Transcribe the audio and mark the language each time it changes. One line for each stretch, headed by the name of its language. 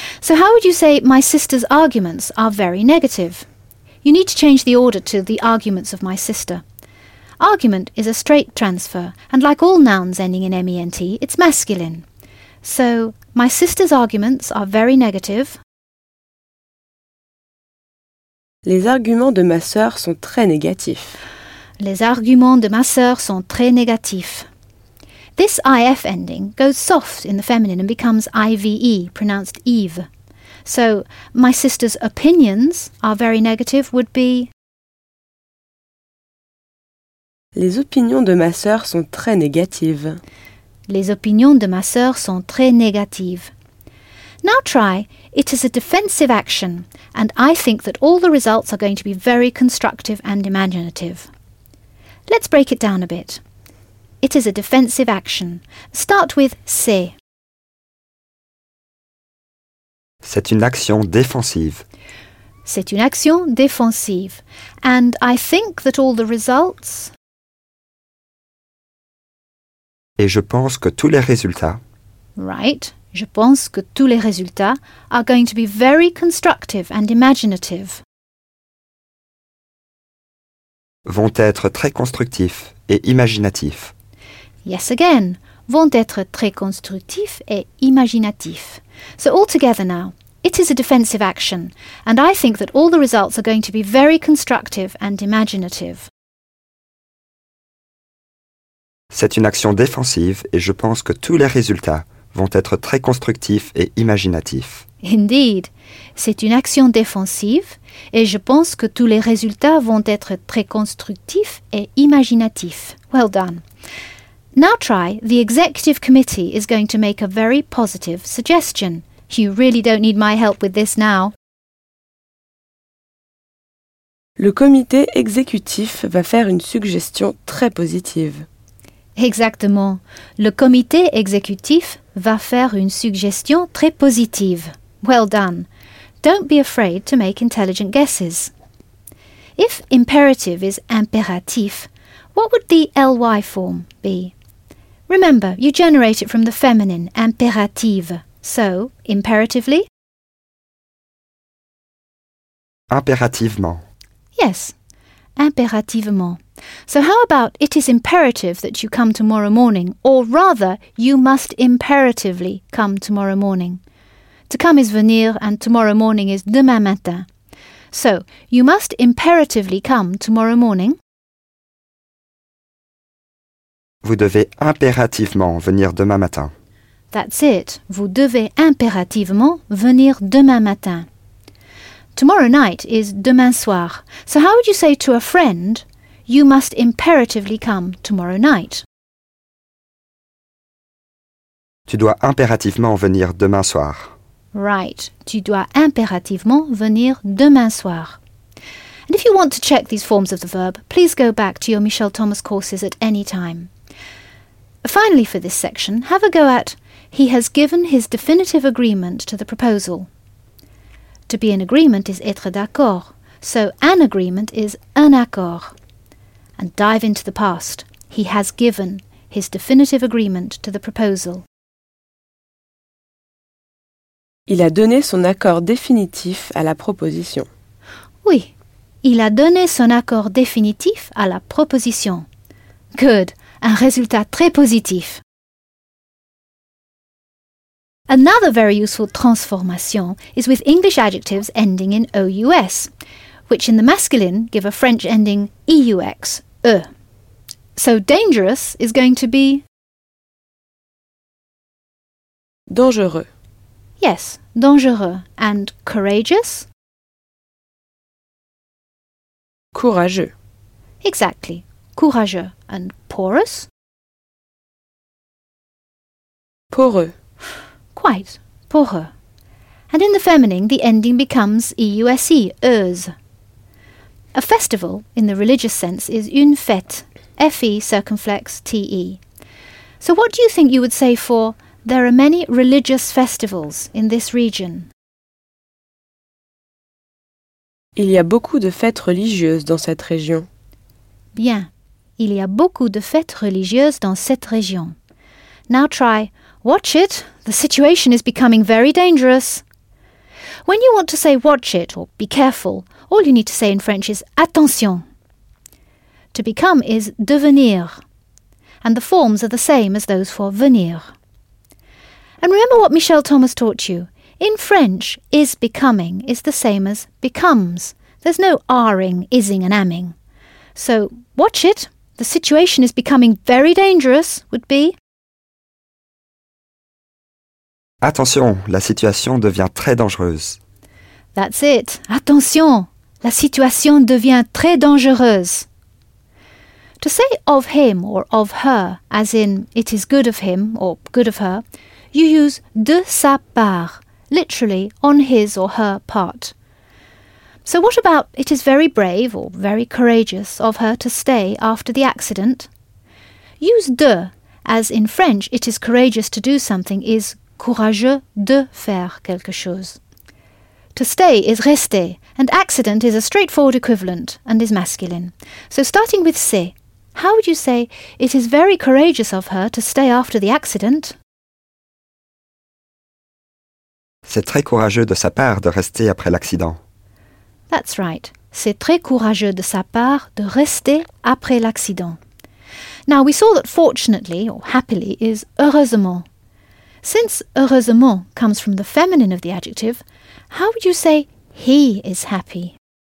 English: So how would you say my sister's arguments are very negative? You need to change the order to the arguments of my sister. Argument is a straight transfer, and like all nouns ending in ment, it's masculine. So, my sister's arguments are very negative.
French: Les arguments de ma sœur sont très négatifs. Les arguments de ma sœur sont très négatifs.
English: This IF ending goes soft in the feminine and becomes IVE, pronounced Eve. So, my sister's opinions are very negative would be...
French: Les opinions de ma sœur sont très négatives. Les opinions de ma sœur sont très négatives.
English: Now try, it is a defensive action, and I think that all the results are going to be very constructive and imaginative. Let's break it down a bit. It is a defensive action. Start with c'est.
French: C'est une action défensive. C'est une action défensive.
English: And I think that all the results...
French: Et je pense que tous les résultats...
English: Right.
French: Je pense que tous les résultats
English: are going to be very constructive and imaginative.
French: Vont être très constructifs et imaginatifs.
English: Yes again.
French: Vont être très constructifs et imaginatifs.
English: So all together now. It is a defensive action, and I think that all the results are going to be very constructive and imaginative.
French: C'est une action défensive, et je pense que tous les résultats vont être très constructifs et imaginatifs.
English: Indeed.
French: C'est une action défensive, et je pense que tous les résultats vont être très constructifs et imaginatifs.
English: Well done. Now try, the executive committee is going to make a very positive suggestion. You really don't need my help with this now.
French: Le comité exécutif va faire une suggestion très positive. Exactement. Le comité exécutif va faire une suggestion très positive.
English: Well done. Don't be afraid to make intelligent guesses. If imperative is impératif, what would the ly form be? Remember, you generate it from the feminine, impérative. So, imperatively?
French: Impérativement. Yes, impérativement.
English: So how about it is imperative that you come tomorrow morning, or rather, you must imperatively come tomorrow morning. To come is venir, and tomorrow morning is
French: demain matin.
English: So, you must imperatively come tomorrow morning.
French: Vous devez impérativement venir demain matin.
English: That's it.
French: Vous devez impérativement venir demain matin.
English: Tomorrow night is
French: demain soir.
English: So how would you say to a friend, you must imperatively come tomorrow night?
French: Tu dois impérativement venir demain soir.
English: Right.
French: Tu dois impérativement venir demain soir.
English: And if you want to check these forms of the verb, please go back to your Michel Thomas courses at any time. Finally for this section, have a go at he has given his definitive agreement to the proposal. To be in agreement is
French: être d'accord,
English: so an agreement is
French: un accord.
English: And dive into the past. He has given his definitive agreement to the proposal.
French: Il a donné son accord définitif à la proposition. Oui, il a donné son accord définitif à la proposition. Good, un résultat très positif.
English: Another very useful transformation is with English adjectives ending in OUS, which in the masculine give a French ending EUX, E. So dangerous is going to be...
French: Dangereux.
English: Yes, dangereux. And courageous?
French: Courageux.
English: Exactly, courageux. And porous?
French: Poreux.
English: Quite, poreux. And in the feminine, the ending becomes EUSE, EUSE. A festival, in the religious sense, is
French: une fête,
English: FE circumflex TE. So what do you think you would say for there are many religious festivals in this region?
French: Il y a beaucoup de fêtes religieuses dans cette région. Bien, il y a beaucoup de fêtes religieuses dans cette région.
English: Now try, watch it. The situation is becoming very dangerous. When you want to say watch it or be careful, all you need to say in French is attention. To become is devenir. And the forms are the same as those for venir. And remember what Michel Thomas taught you. In French, is becoming is the same as becomes. There's no R-ing, is-ing and am-ing. So, watch it. The situation is becoming very dangerous, would be.
French: Attention, la situation devient très dangereuse.
English: That's it.
French: Attention, la situation devient très dangereuse.
English: To say of him or of her, as in it is good of him or good of her, you use
French: de sa part,
English: literally on his or her part. So what about it is very brave or very courageous of her to stay after the accident? Use de, as in French it is courageous to do something is
French: courageux de faire quelque chose.
English: To stay is rester, and accident is a straightforward equivalent and is masculine. So starting with c'est, how would you say it is very courageous of her to stay after the accident?
French: C'est très courageux de sa part de rester après l'accident.
English: That's right.
French: C'est très courageux de sa part de rester après l'accident.
English: Now we saw that fortunately or happily is heureusement. Since heureusement comes from the feminine of the adjective, how would you say he is happy?